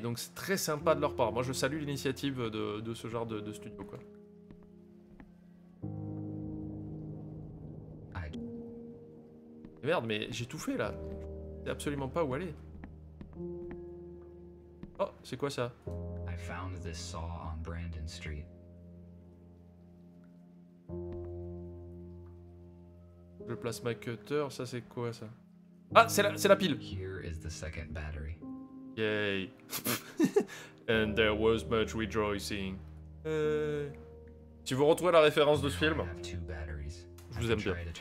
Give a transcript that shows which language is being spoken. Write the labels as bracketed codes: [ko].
[fr] Donc c'est très sympa de leur part. Moi, je salue l'initiative de ce genre de studio, quoi. Merde, mais j'ai tout fait là. Je sais absolument pas où aller. Oh, c'est quoi ça? [en] I found this saw on Brandon Street. [fr] Je place ma cutter, ça c'est quoi ça? Ah, c'est la pile. [en] Here is the second battery. Yay. And there was much rejoicing. [fr] Si vous retrouvez la référence de ce film, je vous aime bien.